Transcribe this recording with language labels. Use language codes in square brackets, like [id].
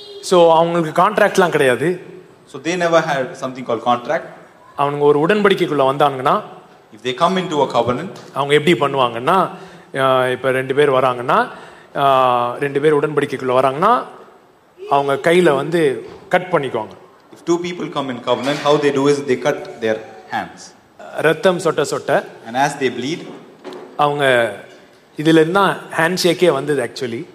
[ta] So அவங்களுக்கு கான்ட்ராக்ட்லாம் கிடையாது. [en] So they never had something called contract. [ta] அவங்க ஒரு உடன்படிக்கைக்குள்ள வந்தாங்கன்னா, [en] if they come into a covenant, [ta] அவங்க எப்படி பண்ணுவாங்கன்னா, இப்ப ரெண்டு பேர் வராங்கன்னா, ரெண்டு பேர் உடன்படிக்கைக்குள்ள வராங்கன்னா, அவங்க கையில வந்து கட் பண்ணிக்குவாங்க. [en] If two people come in covenant, how they do is they cut their hands. [ta] ரத்தம் சொட்ட சொட்ட, [en] and as they bleed, [ta] அவங்க இதுல இருந்தா ஹேண்ட்ஷேக்கே வந்தது actually.